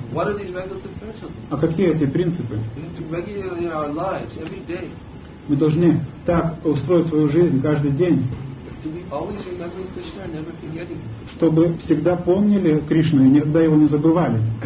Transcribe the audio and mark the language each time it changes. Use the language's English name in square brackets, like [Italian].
[English] What are these regulative principles? [Russian] А какие эти принципы? [English] Regularly in our lives, every day. [Russian] Мы должны так устроить свою жизнь каждый день, [English] to be always remembering Krishna, never forgetting. [Russian] Чтобы всегда помнили Кришну и никогда его не забывали.